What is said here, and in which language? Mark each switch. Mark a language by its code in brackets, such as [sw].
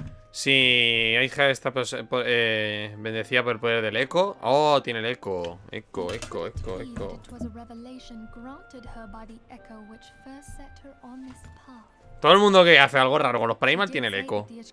[es] Sí, Aija está bendecida por el poder del eco. Oh, tiene el eco. Eco. [en] It was a revelation granted her by the echo which first set her on this path. [es] Todo el mundo que hace algo raro con los Primal tiene el eco.